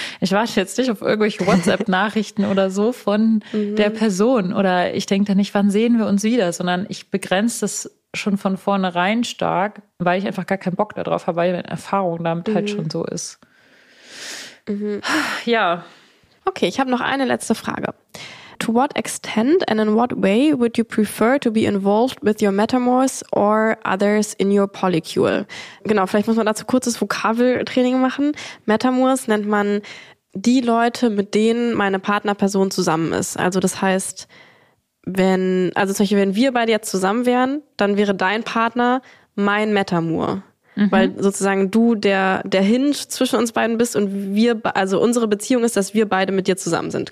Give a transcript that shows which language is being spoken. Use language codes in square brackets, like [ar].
[de] Ich warte jetzt nicht auf irgendwelche WhatsApp-Nachrichten oder so von der Person oder ich denke da nicht, wann sehen wir uns wieder, sondern ich begrenze das schon von vornherein stark, weil ich einfach gar keinen Bock darauf habe, weil meine Erfahrung damit halt schon so ist. Ja. Okay, ich habe noch eine letzte Frage. [en] To what extent and in what way would you prefer to be involved with your metamorphs or others in your polycule? [de] Genau, vielleicht muss man dazu kurzes Vokabeltraining machen. Metamorphs nennt man die Leute, mit denen meine Partnerperson zusammen ist. Also das heißt, wenn, also zum Beispiel, wenn wir beide jetzt zusammen wären, dann wäre dein Partner mein Metamour. Weil sozusagen du der Hinge zwischen uns beiden bist und wir, also unsere Beziehung ist, dass wir beide mit dir zusammen sind.